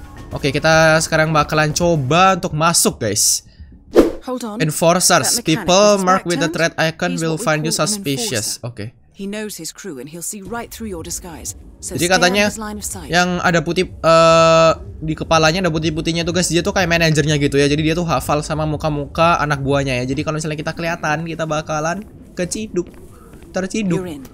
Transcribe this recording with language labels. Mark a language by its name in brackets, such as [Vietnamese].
[Indonesian] Oke, kita sekarang bakalan coba untuk masuk, guys. [English] Enforcers, people marked with the threat icon will find you suspicious. Oke. Okay. [Indonesian] Jadi katanya yang ada putih di kepalanya, ada putih-putihnya tuh, guys. Dia tuh kayak manajernya gitu ya. Jadi dia tuh hafal sama muka-muka anak buahnya ya. Jadi kalau misalnya kita kelihatan, kita bakalan keciduk, terciduk.